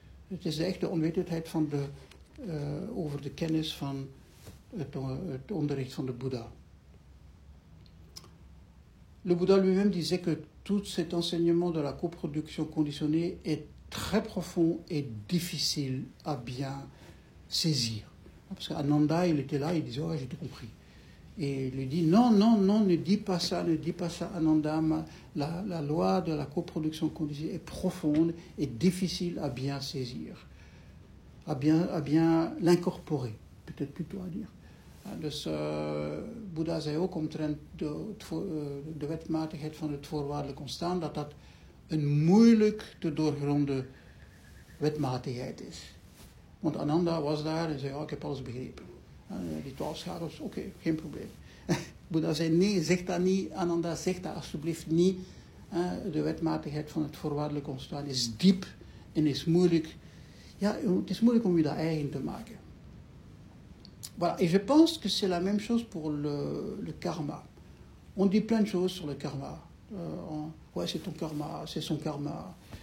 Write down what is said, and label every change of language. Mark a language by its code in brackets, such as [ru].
[nl] Het is echt de onwetendheid van de, over de kennis van het onderricht van de Bouddha. [fr] Le Bouddha lui-même disait que tout cet enseignement de la coproduction conditionnée est très profond et difficile à bien saisir. Parce qu'Ananda, il était là, il disait, oh, j'ai tout compris. Et il lui dit, non, ne dis pas ça, Ananda, la loi de la coproduction conditionnée est profonde et difficile à bien saisir, à bien l'incorporer, peut-être plutôt à dire. [nl] Dus Bouddha zei ook omtrent de wetmatigheid van het voorwaardelijk ontstaan dat dat een moeilijk te doorgronden wetmatigheid is. Want Ananda was daar en zei, oh, ik heb alles begrepen. Die 12 schaduws, oké, geen probleem. Bouddha zei, nee, zeg dat niet, Ananda, zeg dat alsjeblieft niet. De wetmatigheid van het voorwaardelijk ontstaan is diep en is moeilijk. Ja, het is moeilijk om je dat eigen te maken. [fr] Voilà. Et je pense que c'est la même chose pour le karma. On dit plein de choses sur le karma. Ouais, c'est ton karma, c'est son karma.